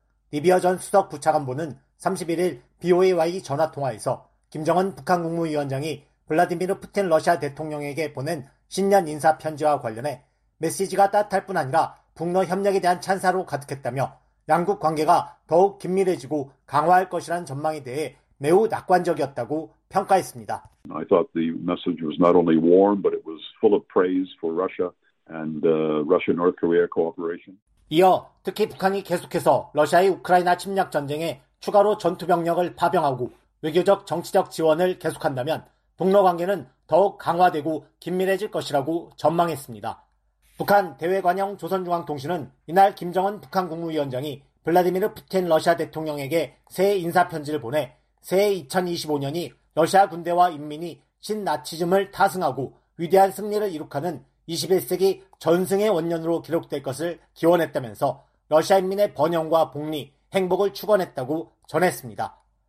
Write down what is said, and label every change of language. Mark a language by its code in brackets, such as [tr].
[ko] 리비어 전 수석 부차관보는 31일 BOAY 전화통화에서 김정은 북한 국무위원장이 블라디미르 푸틴 러시아 대통령에게 보낸 신년 인사 편지와 관련해 메시지가 따뜻할 뿐 아니라 북러 협력에 대한 찬사로 가득했다며 양국 관계가 더욱 긴밀해지고 강화할 것이라는 전망에 대해 매우 낙관적이었다고 평가했습니다. [en] I thought the message was not only warm, but it was full of praise for Russia and Russia-North Korea cooperation. [ko] 이어 특히 북한이 계속해서 러시아의 우크라이나 침략 전쟁에 추가로 전투 병력을 파병하고 외교적 정치적 지원을 계속한다면 북러 관계는 더욱 강화되고 긴밀해질 것이라고 전망했습니다. 북한 대외관영 조선중앙통신은 이날 김정은 북한 국무위원장이 블라디미르 푸틴 러시아 대통령에게 새해 인사편지를 보내 새해 2025년이 러시아 군대와 인민이 신나치즘을 타승하고 위대한 승리를 이룩하는 21세기 전승의 원년으로 기록될 것을 기원했다면서 러시아 인민의 번영과 복리, 행복을 축원했다고 전했습니다.